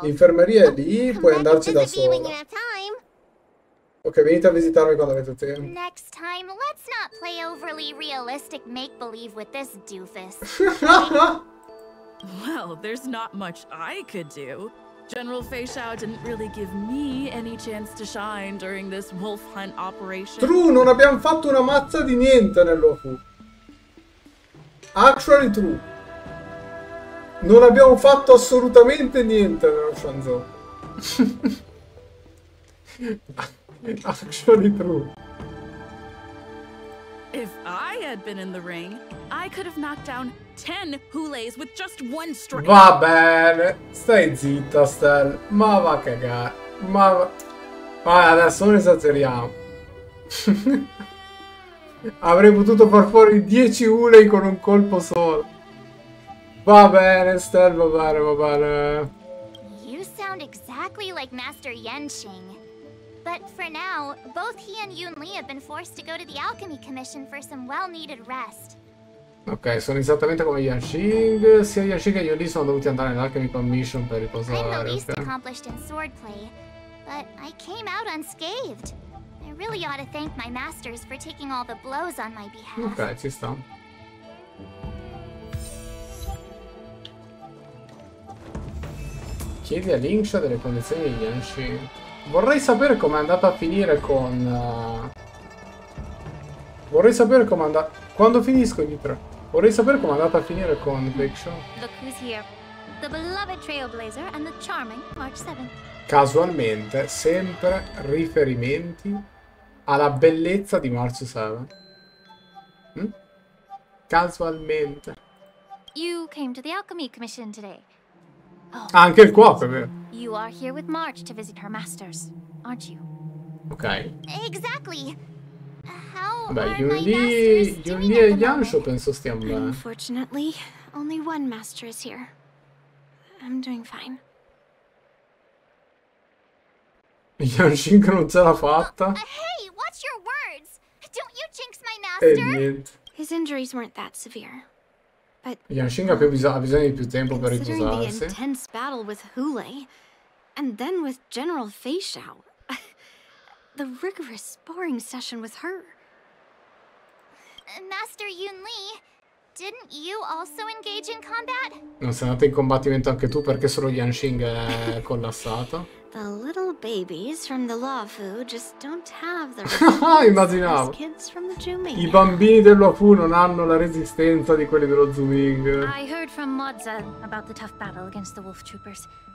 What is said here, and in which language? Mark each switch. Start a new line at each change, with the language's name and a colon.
Italian: L'infermeria è lì, puoi andarci da sola. Ok, venite a visitarmi quando avete tempo.
English: Next time, let's not play overly realistic make-believe with this doofus. Well, there's not much I could do. General Feixiao didn't really give me any chance to shine during this wolf hunt operation.
Italian: True, non abbiamo fatto una mazza di niente nell'Ofu.
English: Actually true.
Italian: Non abbiamo fatto assolutamente niente nello Shanzo.
English: Actually true. If I had been in the ring, I could have knocked down 10 Hulays with just one strike.
Italian: Va bene. Stai zitta, Stel. Ma va a cagare. Ma va... Vai, adesso non esageriamo. Avrei potuto far fuori 10 Hulay con un colpo solo. Va bene, Stel, va bene, va bene.
English: You sound exactly like Master Yenching. But for now, both he and Yun Li have been forced to go to the Alchemy Commission for some well-needed rest.
Italian: Ok, sono esattamente come Yanxing. Sia Yanxing che Yun Li sono dovuti andare nell'Alchemy Commission per riposare.
English: I'm the least accomplished in swordplay, but I came out unscathed. I really ought to thank my masters for taking all the blows on my behalf.
Italian: Ok, ci sto. Chiedi a Lingxia delle condizioni di Yanxing. Vorrei sapere com'è andata a finire con... Vorrei sapere com'è andata... Quando finisco gli tre? Vorrei sapere com'è andata a finire con Big Show.
English: The beloved trailblazer and the charming March 7th.
Italian: Casualmente, sempre riferimenti alla bellezza di March 7. Hm? Casualmente.
English: You came to the Alchemy Commission today.
Italian: Oh, anche il cuoco, è vero.
English: You are here with March to visit her masters, aren't you?
Italian: Ok.
English: Exactly. How
Italian: Yun Li e Yansho penso stiamo bene.
English: Unfortunately, only one master is here. I'm doing fine.
Italian: Yanxing non ce l'ha fatta.
English: Hey, what's your words? Don't you jinx my master? His injuries weren't that severe.
Italian: Yanxing ha bisogno di più tempo per riposarsi.
English: The intense battle with Hulei, and then with General Feixiao. The rigorous sparring session with her. Master Yun Li, didn't you also engage in combat?
Italian: Non sei andato in combattimento anche tu, perché solo Yanxing è collassato.
English: The little babies from the Luofu just don't have the
Italian: immaginavo.
English: Kids from the
Italian: I bambini del Luofu non hanno la resistenza di quelli dello Zooming.
English: I heard from Modza about the tough battle against the wolf troopers.